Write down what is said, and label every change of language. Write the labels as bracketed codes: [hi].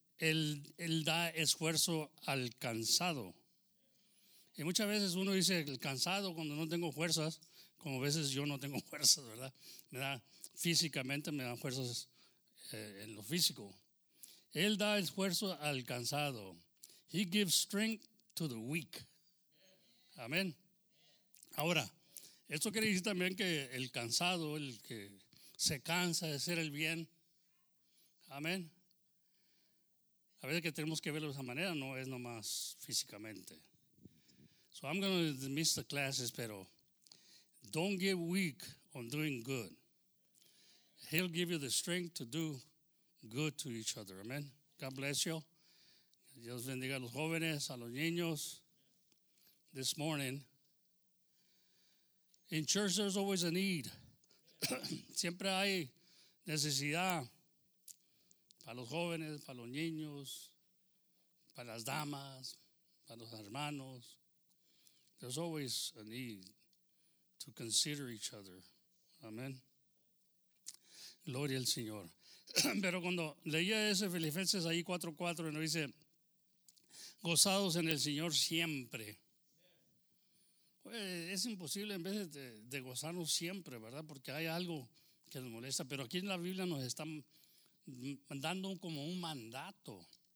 [es] Él da esfuerzo al cansado. Y muchas veces uno dice, el cansado, cuando no tengo fuerzas, como a veces yo no tengo fuerzas, ¿verdad? Me da físicamente, me dan fuerzas en lo físico. Él da esfuerzo al cansado. [en] He gives strength to the weak. [es] Amén. Ahora, esto quiere decir también que el cansado, el que se cansa de hacer el bien. Amén. A veces que tenemos que verlo de esa manera, no es nomás físicamente. [en] So I'm going to dismiss the classes, pero don't get weak on doing good. He'll give you the strength to do good to each other. Amen. God bless you. [es] Dios bendiga a los jóvenes, a los niños. [en] This morning, In church, there's always a need. [es] Siempre hay necesidad para los jóvenes, para los niños, para las damas, para los hermanos. [en] There's always a need to consider each other. [es] Amen. Gloria al Señor. Pero cuando leía ese Filipenses ahí 4:4, nos dice, gozados en el Señor siempre. Pues es imposible en vez de gozarnos siempre, ¿verdad? Porque hay algo que nos molesta. Pero aquí en la Biblia nos están dando como un mandato.